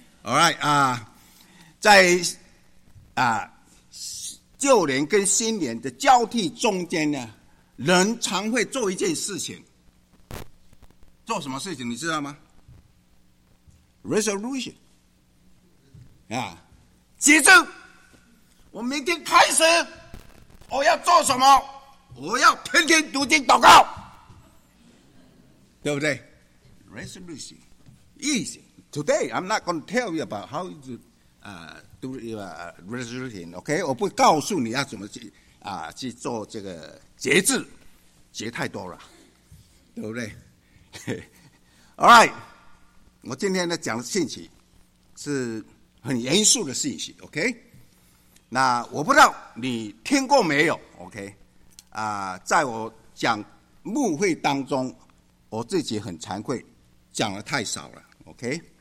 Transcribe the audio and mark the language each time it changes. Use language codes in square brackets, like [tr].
[en] All right [zh] 啊，在啊旧年跟新年的交替中间呢，人常会做一件事情，做什么事情你知道吗？ Resolution 啊，接着我明天开始我要做什么，我要天天读经祷告，对不对？ [en] Resolution easy. Today I'm not going to tell you about how to do your resolution, OK? [zh] 我不告诉你要怎么 去做这个节制，节太多了，对不对？ [en] Alright， [zh] 我今天呢讲的信息是很严肃的信息 ，OK？那我不知道你听过没有 ，OK？ 在我讲牧会当中，我自己很惭愧，讲的太少了 ，OK？